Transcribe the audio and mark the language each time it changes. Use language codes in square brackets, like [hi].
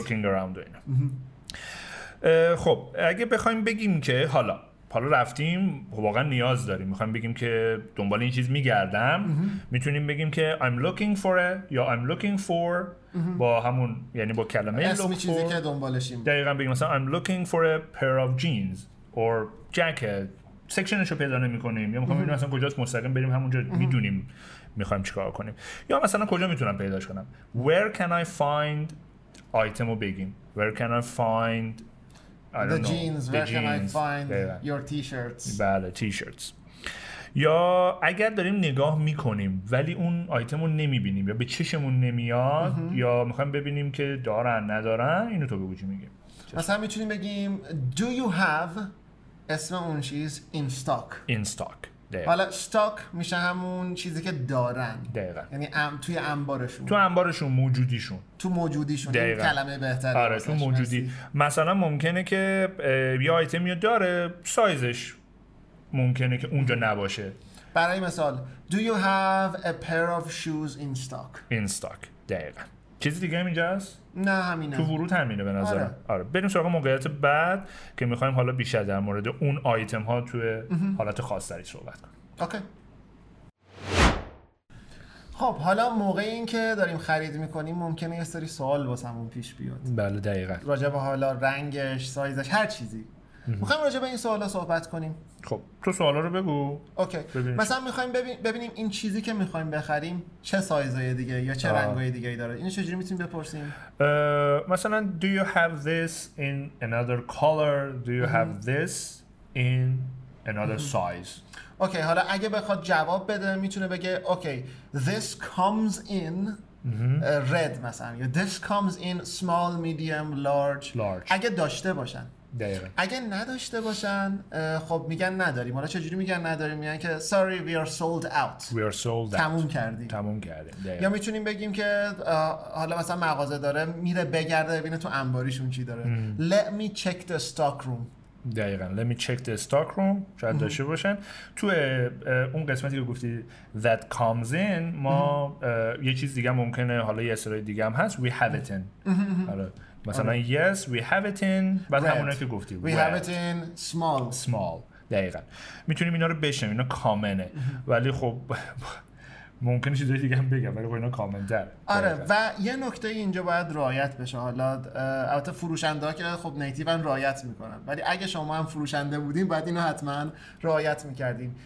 [en] looking around [fa] و اینا. خب اگه بخوایم بگیم که حالا رفتیم واقعا نیاز داریم، میخوایم بگیم که دنبال این چیز میگردم، میتونیم بگیم که [en] I'm looking for a [fa] یا I'm looking for با همون یعنی با کلمه [en] look for [fa] اسمی چیزی که دنبالشیم. دقیقا بگیم مثلا [en] I'm looking for a pair of jeans or jacket. [fa] سکشنشو پیدا نمی کنیم یا میخوایم بگیم مثلا کجاست، مستقیم بریم همونجا میدونیم میخوایم چیکار کنیم، یا مثلا کجا میتونم پیداش کنم، [en] Where can I find [fa] item رو بگیم، Where can I find [en] The jeans. Where can I find your t-shirts. [fa] یا اگر داریم نگاه میکنیم ولی اون آیتم رو نمیبینیم یا به چشمون نمیاد یا میخوایم ببینیم که دارن ندارن، اینو تو بگو چی میگیم. مثلا میتونیم بگیم [en] Do you have [fa] اسم اون چیز [en] in stock. In stock. [fa] دقیقا. حالا استاک میشه همون چیزی که دارن دقیقا. یعنی توی انبارشون، تو انبارشون، موجودیشون، تو موجودیشون دقیقا. این کلمه بهتره. آره تو موجودی مرسی. مثلا ممکنه که یه آیتمی داره، سایزش ممکنه که اونجا نباشه. برای مثال [en] Do you have a pair of shoes in stock؟ In stock، [fa] دقیقا. چیزی دیگه هم اینجاست؟ نه همینه. تو ورود همینه به نظرم. آره. آره. بریم سراغ موقعیت بعد که میخوایم حالا بیشتر در مورد اون آیتم ها توی حالت خاصتری صحبت کنیم. اوکی. خب حالا موقع این که داریم خرید میکنیم ممکنه یه سری سوال واسمون پیش بیاد. بله دقیقا. راجع به حالا رنگش، سایزش، هر چیزی. میخوایم راجع به این سوالا صحبت کنیم. خب تو سوالا رو بگو. اوکی. مثلا میخوایم ببینیم این چیزی که میخوایم بخریم چه سایزای دیگه یا چه رنگای دیگه ای داره. اینو چجوری میتونیم بپرسیم؟ [en] مثلا do you have this in another color? Do you have this in another size? [fa] اوکی حالا اگه بخواد جواب بده میتونه بگه اوکی [en] this comes in red [fa] مثلا، یا [en] this comes in small, medium, large. [fa] اگه داشته باشن. دقیقا. اگه نداشته باشن خب میگن نداریم. حالا چجوری میگن نداریم؟ میگن که [en] sorry we are sold out. We are sold out. [fa] تموم کردیم. تموم کردیم. دقیقا. یا میتونیم بگیم که حالا مثلا مغازه داره میره بگرده ببینه تو انباریشون چی داره. [en] Let me check the stock room. [fa] دقیقاً. [en] Let me check the stock room. [fa] شاید داشته باشن. تو اون قسمتی که گفتی [en] that comes in [fa] ما یه چیز دیگه ممکنه، حالا یه اصطلاح دیگه هم هست، [en] we have it in. [fa] حالا مثلا آره. [en] yes we have it in، [fa] بعد همونه که گفتی [en] we have it in small. [fa] small دقیقا میتونیم اینا رو بشنم، اینا کامنه. ولی خب ممکنه چیزای دیگه هم بگم، ولی خب اینا کامن در. آره و یه نکته اینجا باید رعایت بشه، حالا البته فروشنده ها که خب نیتیو هم رعایت میکنن، ولی اگه شما هم فروشنده بودین باید اینو حتما رعایت میکردین.